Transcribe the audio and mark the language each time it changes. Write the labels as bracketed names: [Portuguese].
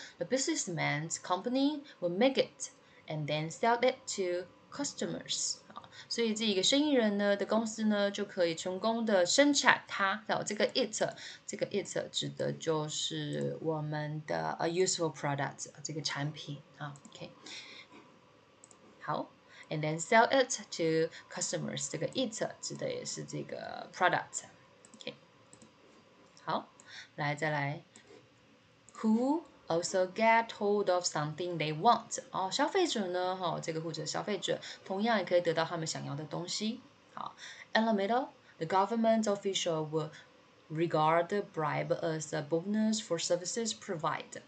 [English] The businessman's company will make it and then sell it to customers. [Chinese] 所以这一个生意人呢的公司呢就可以成功的生产它。这个 it, 这个 it 指的就是我们的 [English] a useful product, [Chinese] 这个产品。Okay. 好。 [English] And then sell it to customers. [Chinese] 这个 it 指的也是这个 product. [English] Okay. [Chinese] 好，来再来。 [English] Who also get hold of something they want. [Chinese] 哦，消费者呢，哦，这个或者消费者同样也可以得到他们想要的东西。好。 [English] In the middle, the government official will regard the bribe as a bonus for services provided.